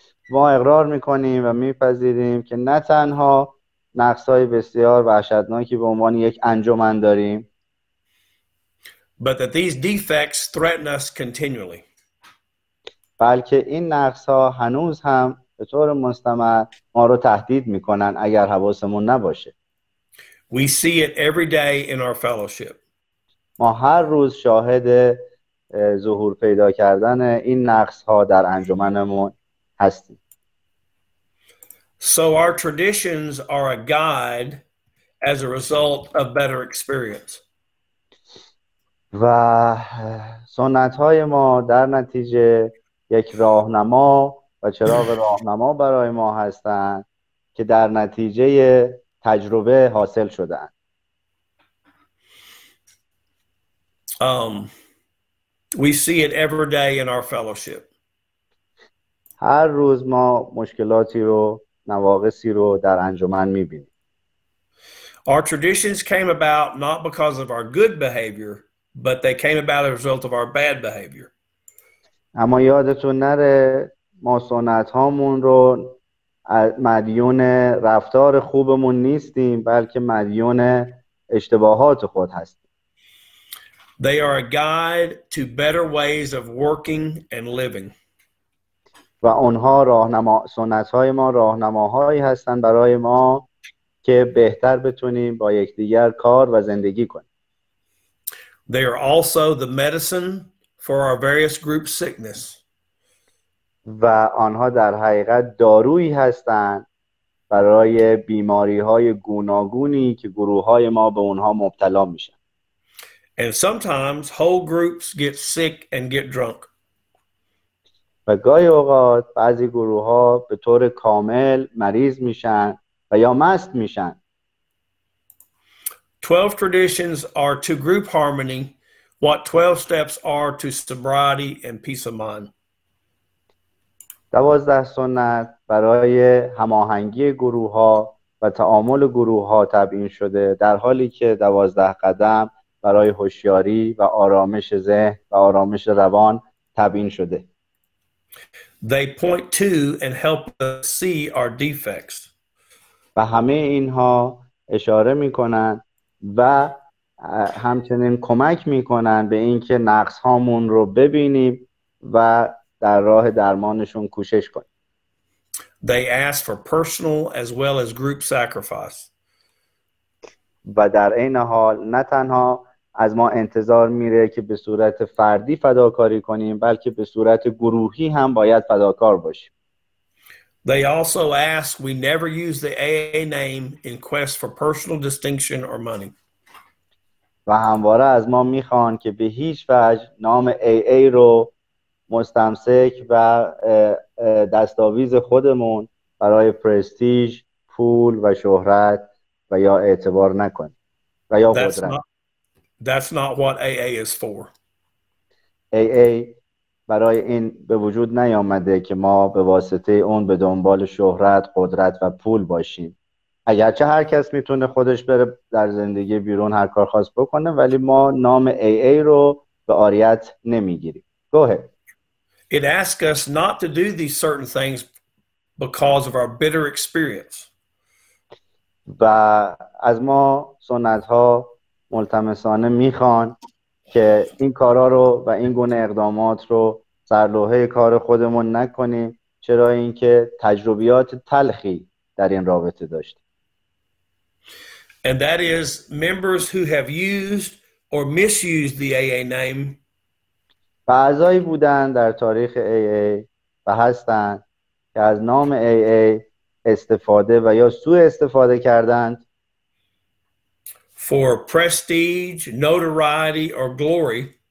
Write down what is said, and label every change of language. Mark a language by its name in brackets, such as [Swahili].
[Persian] ما اقرار می‌کنیم و می‌پذیریم که نه تنها نقص‌های بسیار وحشتناکی به عنوان یک انجمن داریم. [English] But that these defects threaten us continually. [Persian] بلکه این نقص‌ها هنوز هم به طور مستمر ما رو تهدید می‌کنن اگر حواسمون نباشه. [English] We see it every day in our fellowship. [Persian] ما هر روز شاهد ظهور پیدا کردن این نقص ها در انجمنمون هستیم. [English] So our traditions are a guide as a result of better experience. [Persian] و سنت های ما در نتیجه یک راهنما و چراغ راهنما برای ما هستند که در نتیجه تجربه حاصل شدن. [English] We see it every day in our fellowship. [Persian] هر روز ما مشکلاتی رو، نواقصی رو در انجمن می‌بینیم. [English] Our traditions came about not because of our good behavior, but they came about as a result of our bad behavior. [Persian] اما یادتون نره ما سنت‌هامون رو مدیون رفتار خوبمون نیستیم، بلکه مدیون اشتباهات خود هستیم. [English] They are a guide to better ways of working and living. [Persian] و اونها راهنما، سنت‌های ما راهنماهایی هستند برای ما که بهتر بتونیم با یکدیگر کار و زندگی کنیم. [English] They are also the medicine for our various group sickness. [Persian] و آنها در حقیقت دارویی هستند برای بیماری‌های گوناگونی که گروه‌های ما به اونها مبتلا میشن. [English] And sometimes whole groups get sick and get drunk. [Persian] و گاهی اوقات بعضی گروه‌ها به طور کامل مریض میشن و یا مست میشن. [English] 12 traditions are to group harmony what 12 steps are to sobriety and peace of mind. [Persian] 12 سنت برای هماهنگی گروه‌ها و تعامل گروه‌ها تبیین شده، در حالی که 12 قدم برای هوشیاری و آرامش ذهن و آرامش روان تبیین شده. [English] They point to and help us see our defects. [Persian] و همه اینها اشاره می‌کنن و همچنین کمک می‌کنن به اینکه نقص‌هامون رو ببینیم و در راه درمانشون کوشش کنیم. [English] They ask for personal as well as group sacrifice. [Persian] و در این حال نه تنها از ما انتظار میره که به صورت فردی فداکاری کنیم، بلکه به صورت گروهی هم باید فداکار باشیم. [English] They also ask we never use the AA name in quest for personal distinction or money. [Persian] و همواره از ما میخوان که به هیچ وجه نام AA رو مستمسک و دستاویز خودمون برای پرستیژ، پول و شهرت و یا اعتبار نکنیم و یا قدرت. [English] That's not what AA is for. [Persian] AA برای این به وجود نیامده که ما به واسطه اون به دنبال شهرت، قدرت و پول باشیم. اگرچه هر کس میتونه خودش بره در زندگی بیرون هر کار خواست بکنه، ولی ما نام AA رو به آریت نمیگیریم. [English] Go ahead. It asks us not to do these certain things because of our bitter experience. [Persian] و از ما سنت‌ها ملتمسانه میخوان که این کارا رو و این گونه اقدامات رو سر لوحه کار خودمون نکنیم، چرا اینکه تجربیات تلخی در این رابطه داشتیم. [English] And that is members who have used or misused the AA name. [Persian] بعضایی بودن در تاریخ AA و هستن که از نام AA استفاده و یا سوء استفاده کردند. [English] For prestige, notoriety, or glory.